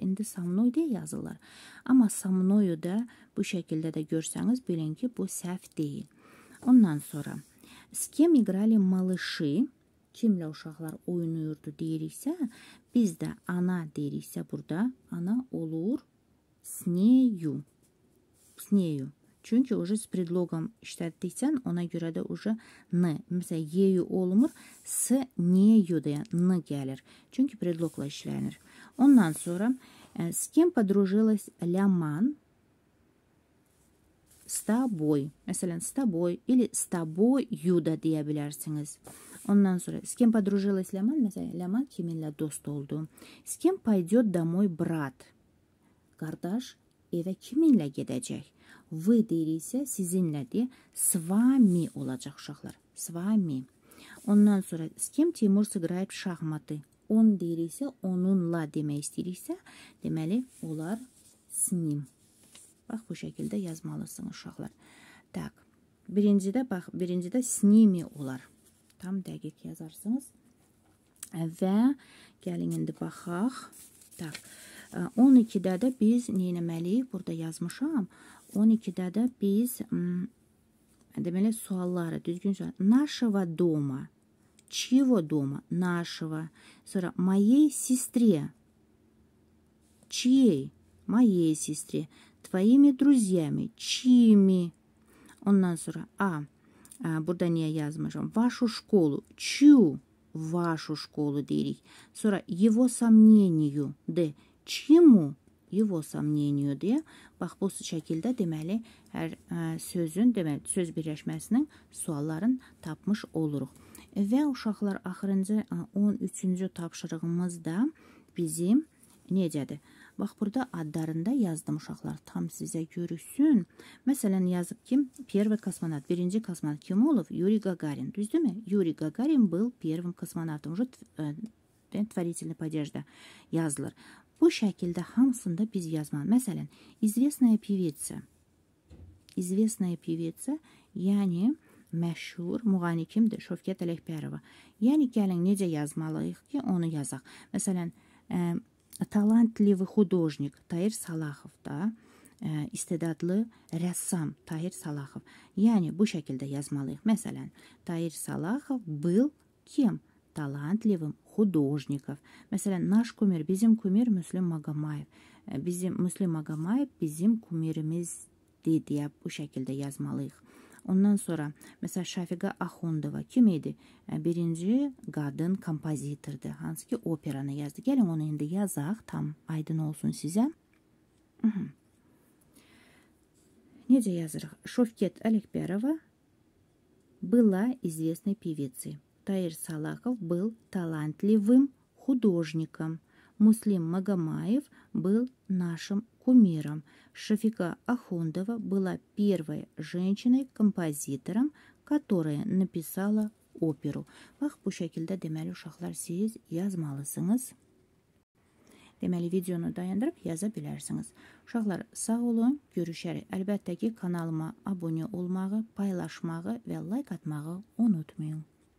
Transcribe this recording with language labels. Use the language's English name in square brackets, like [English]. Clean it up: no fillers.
[Azerbaijani] İndi [Russian] со мной [Azerbaijani] deyə yazırlar. Amma [Russian] со мною [Azerbaijani] da bu şəkildə də görsəniz, bilin ki, bu səhv deyil. Ondan sonra, [Russian] с кем играли малыши? [Azerbaijani] Kimlə uşaqlar oynayırdı deyiriksə, biz də ana deyiriksə burada, ана olur [Russian] с нею. С нею. [Azerbaijani] Çünki [Russian] уже с предлогом [Azerbaijani] işlətdiksən, ona görə də [Russian] уже н. [Azerbaijani] Məsələn, ею olmur, [Russian] с нею [Azerbaijani] deyə н gəlir. Çünki предлогla işlənir. [Russian] Ondan sonra, с кем подружилась Ляман? С тобой. [Azerbaijani] Məsələn, [Russian] с тобой или с тобою да [Azerbaijani] deyə bilərsiniz. [Russian] Ondan sonra, с кем подружилась Ляман? [Azerbaijani] Məsələn, Ляман kiminlə dost oldu? [Russian] С кем пойдет домой брат? [Azerbaijani] Qardaş evə kiminlə gedəcək? Вы deyiriksə, sizinlə deyə, [Russian] с вами [Azerbaijani] olacaq uşaqlar. [Russian] С вами. [Azerbaijani] Ondan sonra, [Russian] с кем Тимур сыграет шахматы? [Azerbaijani] Он deyiriksə, onunla demək istəyiriksə, deməli, onlar [Russian] с ним. [Azerbaijani] Bax, bu şəkildə yazmalısınız uşaqlar. [Russian] Так, [Azerbaijani] birincidə, bax, birincidə [Russian] с ними [Azerbaijani] olar. Tam dəqiq yazarsınız. Və gəlin indi baxaq. [Russian] Так, [Azerbaijani] 12-də də biz neynəməliyik? Burada yazmışam. 12-də də biz, deməli, sualları, düzgün sual. [Russian] Нашего дома. Чего дома? Нашего. [Azerbaijani] Sonra, [Russian] моей сестре. Чьей? Моей сестре. Твоими друзьями. Чьими? [Azerbaijani] Ondan sonra, burada niyə yazmışam? [Russian] Вашу школу. Чью? Вашу школу [Azerbaijani] deyirik. Sonra, [Russian] его сомнению. [Azerbaijani] De. [Russian] Чему? Его сомнению [Azerbaijani] deyə. Bax, bu şəkildə deməli, hər sözün, deməli, söz birləşməsinin sualların tapmış oluruq. Və uşaqlar, axırıncı 13-cü tapşırığımız da bizim necədir? Bax, burada adlarında yazdım uşaqlar, tam sizə görüşsün. Məsələn, yazıb ki, [Russian] первый космонавт, [Azerbaijani] birinci космонавт kim olub? Yuri Gagarin, düzdürmü? [Russian] Yuri Gagarin был первым космонавтом, уже творительный падеж [Azerbaijani] da yazılır. Bu şəkildə hamısında biz yazmalı. Məsələn, [Russian] известная певица. Известная певица, [Azerbaijani] yəni məşhur, müğani kimdir? Şövkət Ələkbərova. Yəni, gəlin, necə yazmalıyıq ki, onu yazaq. Məsələn, талантливый художник Таир Салахов, да? İstedadlı rəssam Таир Салахов. Yəni, bu şəkildə yazmalıyıq. Məsələn, [Russian] Таир Салахов был кем? Талантливым художников. [Azerbaijani] Məsələn, [Russian] наш кумир, [Azerbaijani] bizim кумир Müslüm Magomayev. Bizim Müslüm Magomayev bizim кумирimizdir deyə bu şəkildə yazmalıyıq. Ondan sonra, məsələn, Şafiqa Axundova kim idi? Birinci qadın kompozitordur. Hansı ki operanı yazdı. Gəlin, onu indi yazaq, tam aydın olsun sizə. Necə yazırıq? [Russian] Şövkət Ələkbərova была известной певицей. Таир Салахов был талантливым художником. Муслим Магомаев был нашим кумиром. Шафика Ахундова была первой женщиной-композитором, которая написала оперу. [Azerbaijani] Бах, bu şəkildə, deməli, uşaqlar, siz yazmalısınız. Deməli, videonu dayandırıb yaza bilərsiniz. Uşaqlar, sağ olun, görüşərik. Əlbəttə ki, kanalıma abunə olmağı, paylaşmağı və like atmağı unutmayın.